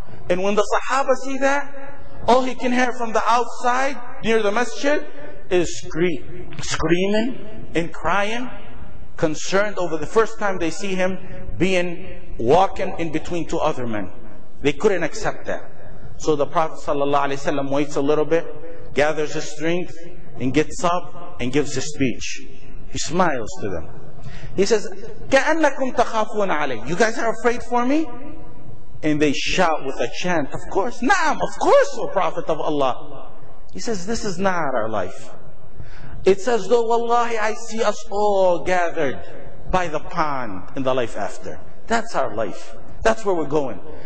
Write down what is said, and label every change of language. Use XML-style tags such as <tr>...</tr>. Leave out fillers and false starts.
<en>And when the Sahaba see that, all he can hear from the outside, near the masjid, is screaming and crying, concerned over the first time they see him being walking in between two other men. They couldn't accept that. So the Prophet sallallahu alaihi wasallam waits a little bit, gathers his strength, and gets up and gives a speech. He smiles to them. He says,</en> <ar>كَأَنَّكُمْ تَخَافُونَ عَلَيْهِ.</ar> <en>You guys are afraid for me? And they shout with a chant, of course, na'am, of course, O Prophet of Allah. He says, this is not our life. It's as though, wallahi, I see us all gathered by the pond in the life after. That's our life. That's where we're going.</en>